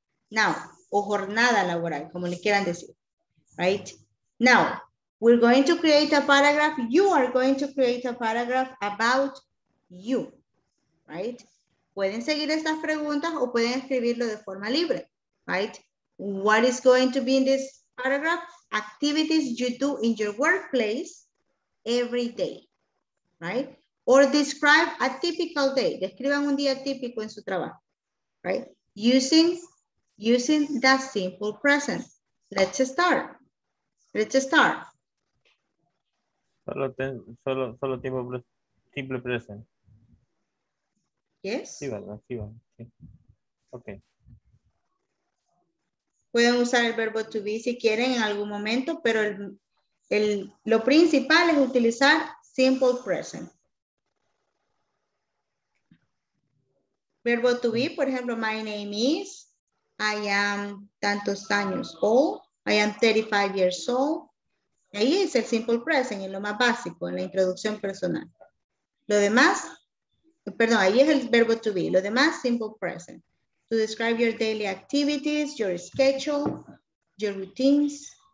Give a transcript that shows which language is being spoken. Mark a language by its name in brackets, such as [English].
[English] Now, [Spanish] o jornada laboral, como le quieran decir. [English] Right? Now, we're going to create a paragraph. You are going to create a paragraph about you. Right? [Spanish] Pueden seguir estas preguntas o pueden escribirlo de forma libre. [English] Right? What is going to be in this paragraph? Activities you do in your workplace every day, right? Or describe a typical day. [Spanish] Describan un día típico en su trabajo, [English] right? Using that simple present. Let's start. [Spanish] Solo tiempo simple present. [English] Yes. [Spanish] Sí, verdad. Sí, sí. Ok. Pueden usar el verbo to be si quieren en algún momento, pero lo principal es utilizar simple present. Verbo to be, por ejemplo, [English] my name is, [Spanish] I am tantos años old, [English] I am 35 years old. [Spanish] Ahí es el simple present, es lo más básico, en la introducción personal. Lo demás, perdón, ahí es el verbo to be, lo demás, simple present. [English] To describe your daily activities, your schedule, your routines.